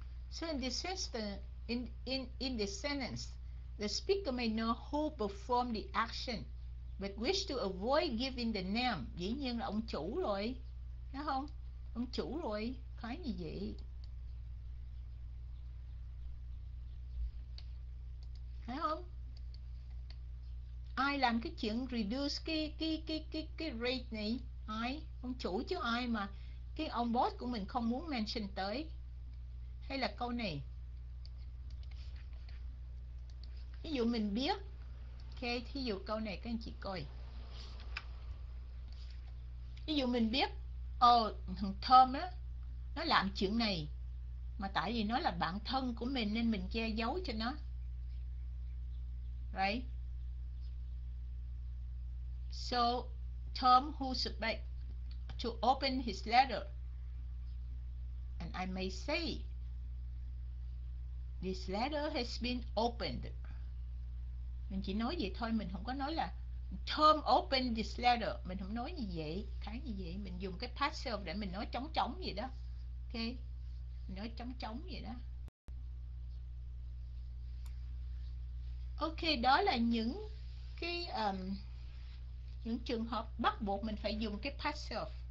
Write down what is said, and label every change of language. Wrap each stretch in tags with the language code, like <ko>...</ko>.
<en>So in the sentence, the speaker may know who performed the action, but wish to avoid giving the name.</en> <vi>Dĩ nhiên là ông chủ rồi, đúng không? Ông chủ rồi, khó như vậy. Thấy không? Ai làm cái chuyện reduce cái rate này? Ai? Ông chủ chứ ai mà cái ông boss của mình không muốn mention tới. Hay là câu này, ví dụ mình biết, ok, ví dụ câu này các anh chị coi, ví dụ mình biết, thằng Tom á, nó làm chuyện này, mà tại vì nó là bạn thân của mình nên mình che giấu cho nó, right?</vi> <en>So Tom who suspect to open his letter, and I may say this letter has been opened.</en> <vi>Mình chỉ nói vậy thôi, mình không có nói là</vi> <en>Tom opened this letter.</en> <vi>Mình không nói như vậy, khá như vậy. Mình dùng cái passive để mình nói trống trống vậy đó. Ok, mình nói trống trống vậy đó. Ok, đó là những cái những trường hợp bắt buộc mình phải dùng cái passive.</vi>